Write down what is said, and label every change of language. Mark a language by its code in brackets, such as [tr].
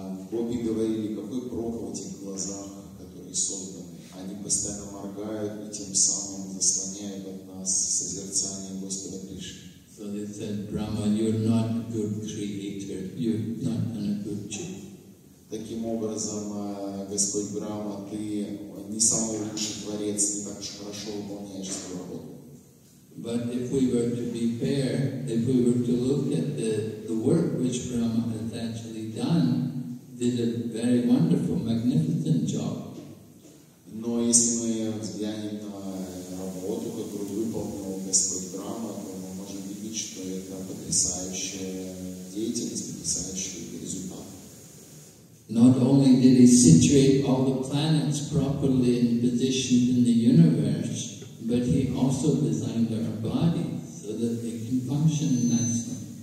[ru] Гопи говорили, какой прок в этих глазах, которые созданы. Они постоянно моргают и тем самым заслоняют от нас созерцание Господа Кришны. [en] So they said, Brahma, you're not a good creator, you're not a good chief. [ru] Таким образом, Господь Брахма, ты не самый лучший творец, не так уж хорошо выполняешь свою работу. [en] But if we were to be fair, if we were to look at the work which Brahma has actually done, did a very wonderful, magnificent job. [ru] Но если мы взглянем на работу, которую выполнил Господь Брахма, то мы можем видеть, что это потрясающая деятельность, потрясающий результат. [en] Not only did he situate all the planets properly in position in the universe, but he also designed our bodies so that they can function nicely.